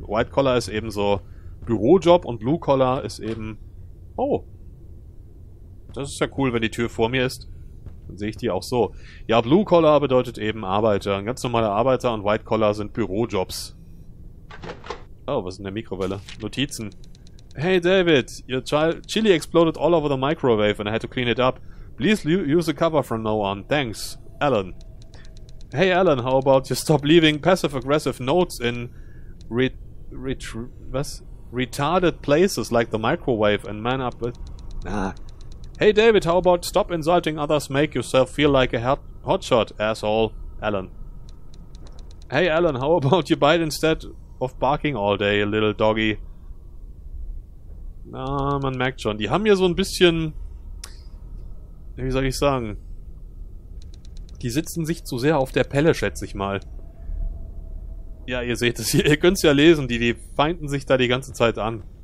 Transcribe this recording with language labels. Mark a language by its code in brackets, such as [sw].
[de] White-Collar ist eben so Bürojob und Blue-Collar ist eben... Oh! Das ist ja cool, wenn die Tür vor mir ist. Dann sehe ich die auch so. Ja, Blue-Collar bedeutet eben Arbeiter. Ein ganz normaler Arbeiter und White-Collar sind Bürojobs. Oh, was ist in der Mikrowelle? Notizen. [en] Hey David, your chili exploded all over the microwave and I had to clean it up. Please use a cover from now on. Thanks, Alan. Hey Alan, how about you stop leaving passive-aggressive notes in retarded places like the microwave and man up with... Nah. Hey David, how about stop insulting others, make yourself feel like a hotshot, asshole, Alan. Hey Alan, how about you bite instead of barking all day, little doggy? [de] Na, man merkt schon, die haben hier so ein bisschen... Wie soll ich sagen... Die sitzen sich zu sehr auf der Pelle, schätze ich mal. Ja, ihr seht es hier. Ihr könnt es ja lesen. Die feinden sich da die ganze Zeit an.